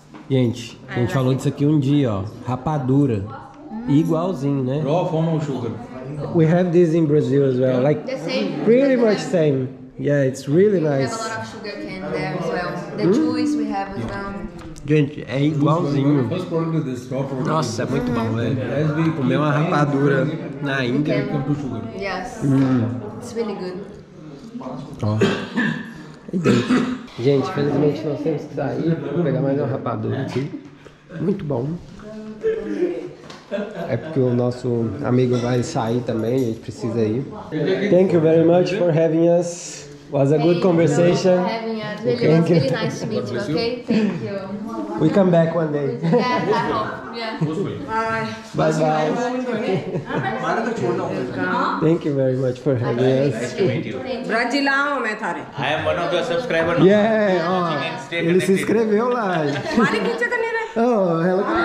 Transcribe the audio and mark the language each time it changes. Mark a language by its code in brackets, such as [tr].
[pt] Gente, a gente falou disso aqui um dia, ó. Rapadura. Igualzinho, né? [en] Raw formal sugar. We have this in Brazil as well. Like the same. Pretty much same. Yeah, it's really nice. We have a lot of sugar cane there as well. The juice we have as well. [pt] Gente, é igualzinho. Nossa, é muito bom, velho. Comer uma rapadura na Índia. [en] Yes. It's really good. [pt] Ó. Idêntico. Gente, felizmente nós temos que sair. Vou pegar mais uma rapadura aqui. Muito bom. É porque o nosso amigo vai sair também, a gente precisa ir. [en] Thank you very much for having us. Was a good conversation. Thank you for having us. Really, it was really nice to meet you, okay? Thank you. We come back one day. Yes, I hope. Bye bye. Thank you very much for having us. Nice to meet you. Brazilão, I am one of the subscribers. [pt] Yeah, ele se inscreveu lá. [en] Oh, hello.